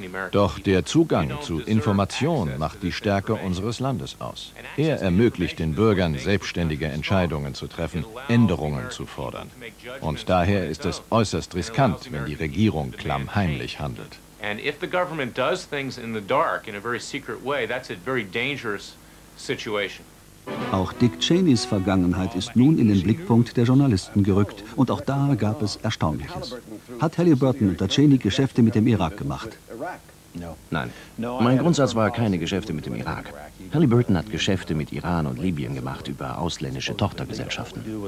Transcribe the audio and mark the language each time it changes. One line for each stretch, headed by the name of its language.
German: Doch der Zugang zu Information macht die Stärke unseres Landes aus. Er ermöglicht den Bürgern, selbstständige Entscheidungen zu treffen, Änderungen zu fordern. Und daher ist es äußerst riskant, wenn die Regierung klammheimlich handelt.
English: And if the government does things in the dark, in a very secret way, that's a very dangerous situation.
German: Auch Dick Cheneys Vergangenheit ist nun in den Blickpunkt der Journalisten gerückt. Und auch da gab es Erstaunliches. Hat Halliburton unter Cheney Geschäfte mit dem Irak gemacht? Nein. Mein Grundsatz war keine Geschäfte mit dem Irak. Halliburton hat Geschäfte mit Iran und Libyen gemacht über ausländische Tochtergesellschaften.